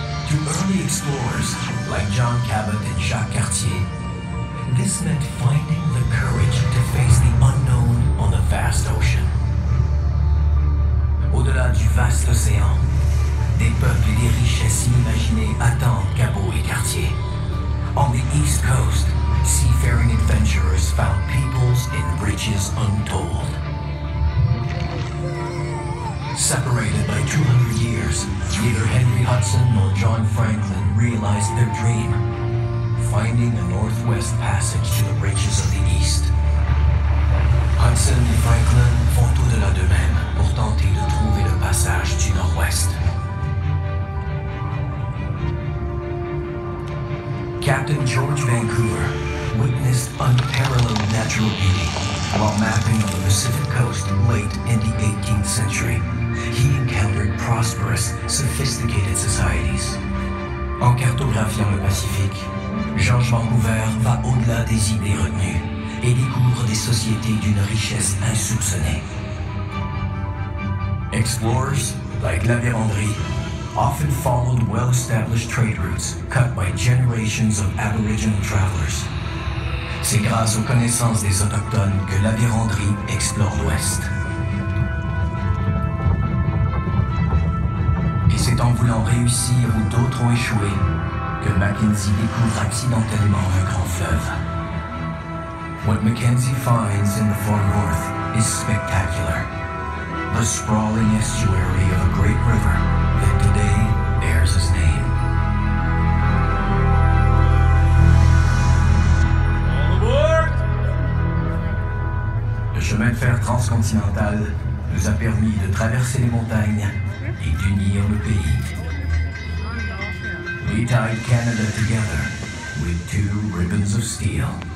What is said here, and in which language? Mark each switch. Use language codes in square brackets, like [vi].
[en] To early explorers like John Cabot and Jacques Cartier, this meant finding the courage to face the unknown on the vast ocean. [fr] Au-delà du vaste océan, des peuples et des richesses inimaginées attendent Cabot et Cartier. [en] On the East Coast, seafaring adventurers found peoples and riches untold. Separated by 200 years, neither Henry Hudson nor John Franklin realized their dream, finding a northwest passage to the riches of the East. [fr] Hudson and Franklin font au-delà d'eux-mêmes pour tenter de trouver le passage du nord-ouest. [en] Captain George Vancouver witnessed unparalleled natural beauty while mapping on the Pacific coast late in the 18th century. He encountered prosperous, sophisticated societies. [fr] En cartographiant le Pacifique, Georges Vancouver va au-delà des idées retenues et découvre des sociétés d'une richesse insoupçonnée. [en] Explorers, like La Vérendrye, often followed well-established trade routes cut by generations of Aboriginal travelers. [fr] C'est grâce aux connaissances des Autochtones que La Vérendrye explore l'Ouest. C'est en voulant réussir où d'autres ont échoué que Mackenzie découvre accidentellement un grand fleuve. [en] What Mackenzie finds in the far north is spectacular. The sprawling estuary of a great river that today bears his name. All aboard! [fr] Le chemin de fer transcontinental nous a permis de traverser les montagnes et d'unir le pays. [en] We tied Canada together with two ribbons of steel.